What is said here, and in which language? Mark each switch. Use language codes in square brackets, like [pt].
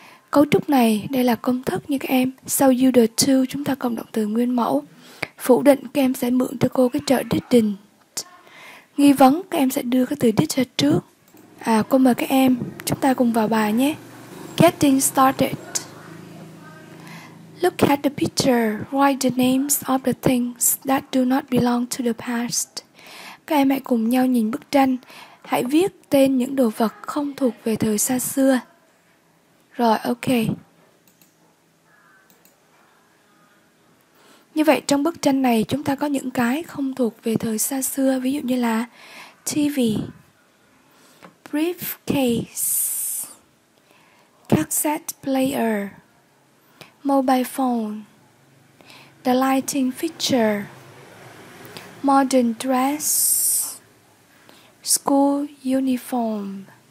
[vi] Cấu trúc này, đây là công thức như các em. Sau used to chúng ta cộng động từ nguyên mẫu. Phủ định các em sẽ mượn cho cô cái trợ didn't. Nghi vấn các em sẽ đưa cái từ did ra trước. Cô mời các em, chúng ta cùng vào bài nhé. [en] Getting started. Look at the picture. Write the names of the things that do not belong to the past. [vi] Các em hãy cùng nhau nhìn bức tranh. Hãy viết tên những đồ vật không thuộc về thời xa xưa. Rồi, ok. Như vậy trong bức tranh này chúng ta có những cái không thuộc về thời xa xưa, ví dụ như là TV, briefcase, cassette player, mobile phone, the lighting fixture, modern dress, school uniform.